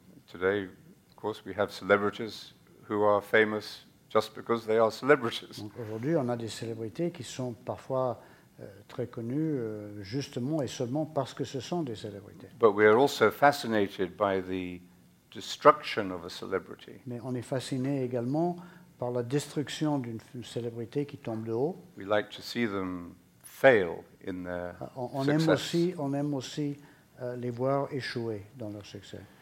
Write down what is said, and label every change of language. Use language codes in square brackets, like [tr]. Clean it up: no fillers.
[en] Today, of course, we have celebrities who are famous just because they are celebrities. [fr] Donc aujourd'hui, on a des célébrités qui sont parfois très connues justement et seulement parce que ce sont des célébrités. [en] But we are also fascinated by the destruction of a celebrity. [fr] Mais on est fasciné également par la destruction d'une célébrité qui tombe de haut. [en] We like to see them fail in their [fr] on aime aussi, les voir échouer dans leur succès.